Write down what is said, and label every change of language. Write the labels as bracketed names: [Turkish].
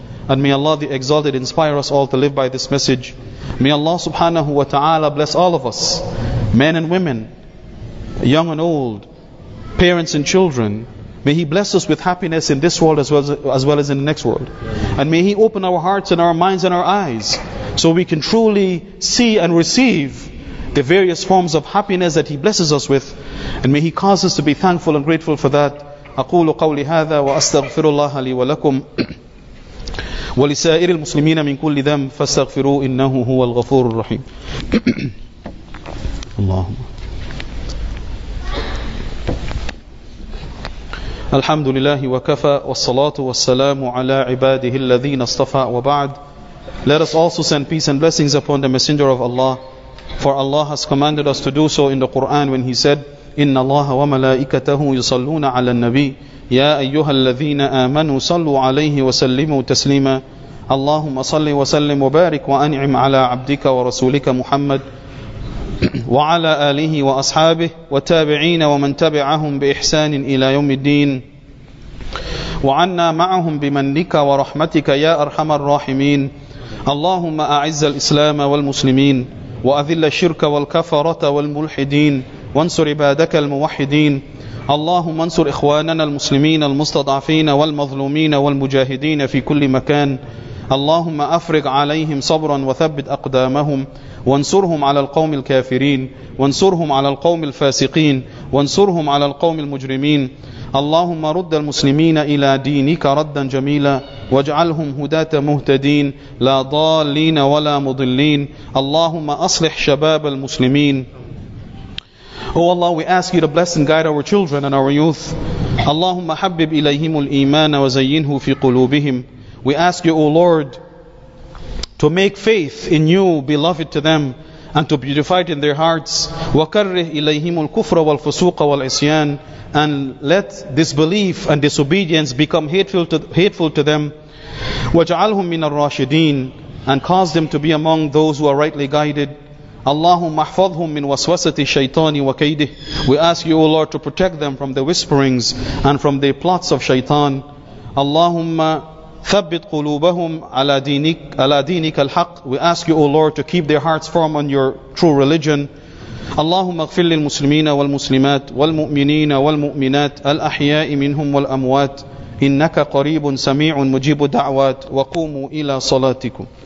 [English] And may Allah the Exalted inspire us all to live by this message. May Allah subhanahu wa ta'ala bless all of us, men and women, young and old, parents and children. May He bless us with happiness in this world as well as in the next world. And may He open our hearts and our minds and our eyes so we can truly see and receive the various forms of happiness that He blesses us with. And may He cause us to be thankful and grateful for that. [Arabic] أقول قولي هذا وأستغفر الله لي ولكم ولسائر المسلمين من كل ذنب فاستغفروا إنه هو الغفور الرحيم. اللهم الحمد لله وكفى والصلاة والسلام على عباده الذين اصطفى وبعد. [English] Let us also send peace and blessings upon the Messenger of Allah, for Allah has commanded us to do so in the Quran when He said, [Arabic] إِنَّ اللَّهَ وَمَلَائِكَتَهُ يُصَلُّونَ عَلَى النَّبِيِّ يَا أَيُّهَا الَّذِينَ آمَنُوا صَلُّوا عَلَيْهِ وَسَلِّمُوا تَسْلِيمًا. اللَّهُمَّ صَلِّ وَسَلِّمْ وَبَارِكْ وَأَنْعِمْ عَلَى عَبْدِكَ وَرَسُولِكَ مُحَمَّدٍ وعلى آله وأصحابه وتابعين ومن تبعهم بإحسان إلى يوم الدين وعنا معهم بمنك ورحمتك يا أرحم الراحمين. اللهم أعز الإسلام والمسلمين وأذل الشرك والكفرة والملحدين وانصر عبادك الموحدين. اللهم انصر إخواننا المسلمين المستضعفين والمظلومين والمجاهدين في كل مكان. اللهم أفرغ عليهم صبرا وثبت أقدامهم وانصرهم على القوم الكافرين وانصرهم على القوم الفاسقين وانصرهم على القوم المجرمين. اللهم رد المسلمين إلى دينك ردا جميلا واجعلهم هداة مهتدين لا ضالين ولا مضلين. اللهم أصلح شباب المسلمين. [English] Oh Allah, we ask you to bless and guide our children and our youth. [Arabic] اللهم حبب إليهم الإيمان وزينه في قلوبهم. [English] We ask you, O Lord, to make faith in you beloved to them and to beautify it in their hearts. [Arabic] وَكَرِّهْ إِلَيْهِمُ الْكُفْرَ وَالْفُسُوقَ وَالْعِصْيَانَ. [English] And let disbelief and disobedience become hateful to them. [Arabic] وَجْعَلْهُمْ مِنَ الرَّاشِدِينَ. [English] And cause them to be among those who are rightly guided. [Arabic] اللهم احفظهم من وسوسة الشيطان وكيده. [English] We ask you, O Lord, to protect them from the whisperings and from the plots of shaitan. [Arabic] اللهم ثبت قلوبهم على دينك الحق. [English] We ask you, O Lord, to keep their hearts firm on your true religion. [Arabic] اللهم اغفر للمسلمين والمسلمات والمؤمنين والمؤمنات الأحياء منهم والأموات إنك قريب سميع مجيب الدعوات وقوموا إلى صلاتكم.